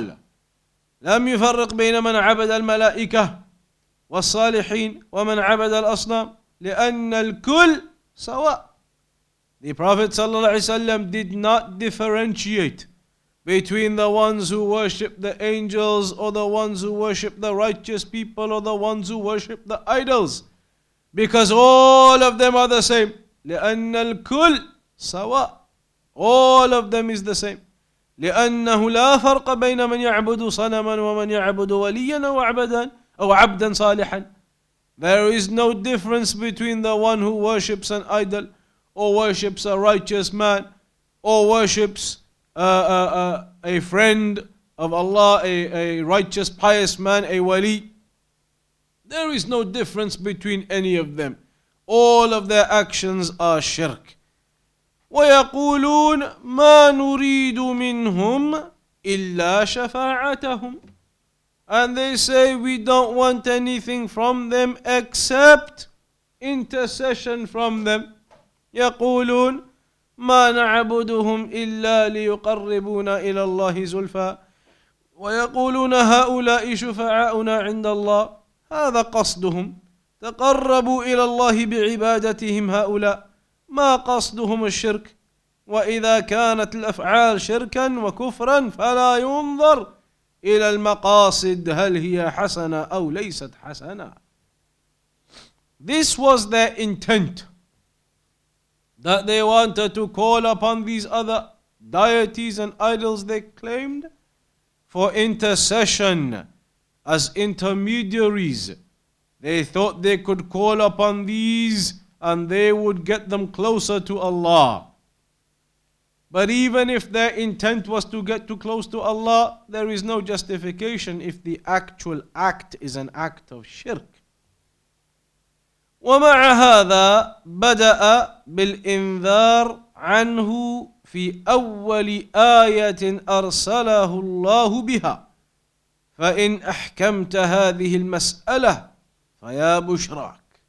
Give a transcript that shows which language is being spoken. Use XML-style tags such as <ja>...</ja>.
<ar>لم يفرق بين من عبد الملائكة والصالحين ومن عبد الأصنام لأن الكل سواء.</ar> <en>The Prophet صلى الله عليه وسلم did not differentiate between the ones who worship the angels or the ones who worship the righteous people or the ones who worship the idols, because all of them are the same.</en> <ar>لأن الكل سواء.</ar> <en>All of them is the same.</en> <ar>لأنه لا فرق بين من يعبد صنما ومن يعبد وليا أو عبدا صالحا.</ar> <en>There is no difference between the one who worships an idol or worships a righteous man or worships a friend of Allah, a righteous pious man, a wali. There is no difference between any of them. All of their actions are shirk.</en> <ar>ويقولون ما نريد منهم إلا شفاعتهم.</ar> <en>And they say we don't want anything from them except intercession from them.</en> <ar>يقولون ما نعبدهم إلا ليقربونا إلى الله زلفا. ويقولون هؤلاء شفعاؤنا عند الله. هذا قصدهم. تقربوا إلى الله بعبادتهم هؤلاء. ما قصدهم الشرك. وإذا كانت الأفعال شركا وكفرا فلا ينظر إلى المقاصد هل هي حسنة أو ليست حسنة.</ar> <en>This was their intent, that they wanted to call upon these other deities and idols they claimed for intercession as intermediaries. They thought they could call upon these and they would get them closer to Allah. But even if their intent was to get too close to Allah, there is no justification if the actual act is an act of shirk.</en> <ar>ومع هذا بدأ بالإنذار عنه في أول آية أرسله الله بها. فإن أحكمت هذه المسألة فيا بشراك.</ar>